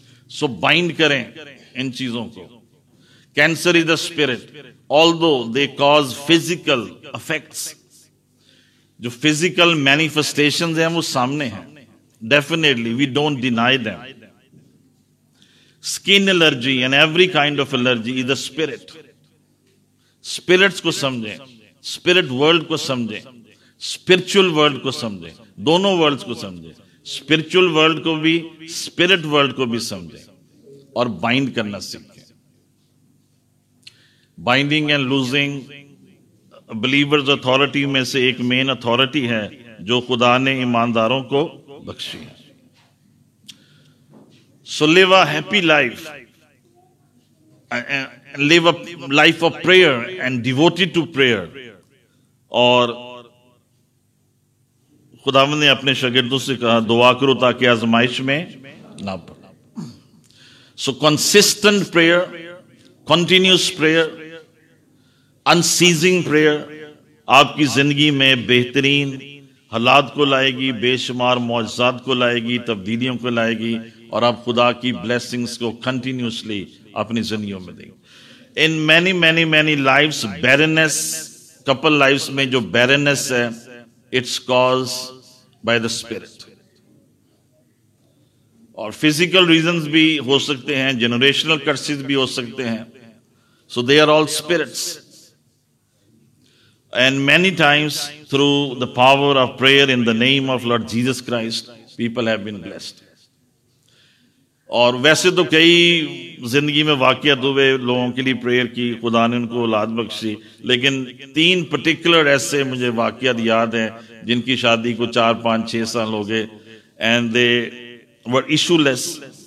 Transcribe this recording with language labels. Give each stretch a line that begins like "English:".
Urdu: سو bind کریں ان چیزوں کو.
English: Cancer is the spirit, all do they cause physical effects.
Urdu: جو فزیکل مینیفیسٹیشنز ہیں وہ سامنے ہیں,
English: Definitely we don't deny them. Skin allergy and every kind of allergy is the spirit.
Urdu: Spirits کو سمجھیں, اسپرٹ ورلڈ کو سمجھیں, اسپرچل ورلڈ کو سمجھیں, دونوں ورلڈ کو سمجھیں, اسپرچل ورلڈ کو بھی اسپرٹ ورلڈ کو بھی سمجھیں, اور بائنڈ کرنا سیکھیں. Binding and losing believers authority میں سے ایک مین اتھارٹی ہے جو خدا نے ایمانداروں کو بخشی ہے.
English: So live a happy life. And live a life of prayer and devoted to prayer.
Urdu: Or خداون نے اپنے شاگردوں سے کہا دعا کرو تاکہ آزمائش میں نہ پڑو. سو consistent prayer, continuous prayer, انسیزنگ prayer آپ کی زندگی میں بہترین حالات کو لائے گی, بے شمار معجزات کو لائے گی, تبدیلیوں کو لائے گی, اور آپ خدا کی بلیسنگز کو کنٹینیوسلی اپنی زندگیوں میں دیں.
English: in many many many lives barrenness,
Urdu: Kapil lives میں جو بیرننس ہے
English: It's caused by the spirit.
Urdu: اور فزیکل ریزنز بھی ہو سکتے ہیں, جنریشنل کرسز بھی ہو سکتے ہیں.
English: So they are all spirits and many times through the power of prayer in the name of Lord Jesus Christ people have been blessed.
Urdu: اور ویسے تو کئی زندگی میں واقعات ہوئے لوگوں کے لیے پریئر کی, خدا نے ان کو اولاد بخشی, لیکن تین پرٹیکولر ایسے مجھے واقعات یاد ہیں جن کی شادی کو چار پانچ چھ سال ہو گئے
English: And they were issueless.